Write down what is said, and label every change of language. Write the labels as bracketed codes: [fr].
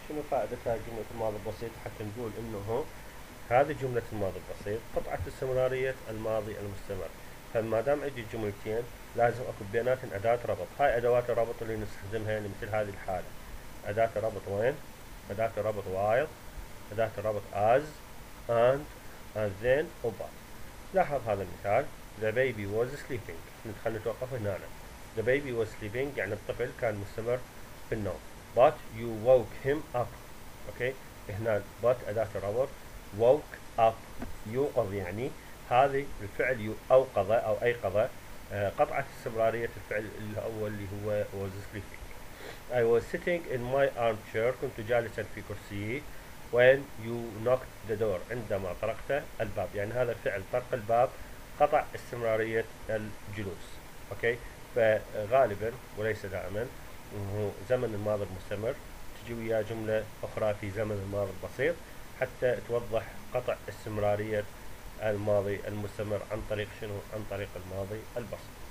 [ar] شنو فائدة جملة الماضي البسيط؟ حتى نقول إنه هذه جملة الماضي البسيط قطعت استمرارية الماضي المستمر. فما دام عندي جملتين لازم اكو بيناتهم اداة ربط. هاي ادوات الربط اللي نستخدمها لمثل هذه الحالة، اداة الربط وين؟ اداة الربط while، اداة الربط as، and then over. لاحظ هذا المثال [en] the baby was sleeping. [ar] ندخل نتوقف هنا. [en] the baby was sleeping [ar] يعني الطفل كان مستمر في النوم. [en] but you woke him up. [ar] اوكي هنا but اداة الربط woke up يوقظ، يعني هذه الفعل أوقظ أو أيقظ قطعت استمرارية الفعل الأول اللي هو [en] was sleeping. I was sitting in my armchair، [ar] كنت جالسا في كرسيي. [en] when you knocked the door، [ar] عندما طرقت الباب، يعني هذا الفعل طرق الباب قطع استمرارية الجلوس. أوكي فغالبا وليس دائما هو زمن الماضي المستمر، تجي ويا جملة أخرى في زمن الماضي البسيط حتى توضح قطع استمرارية الماضي المستمر عن طريق شنو؟ عن طريق الماضي البسيط.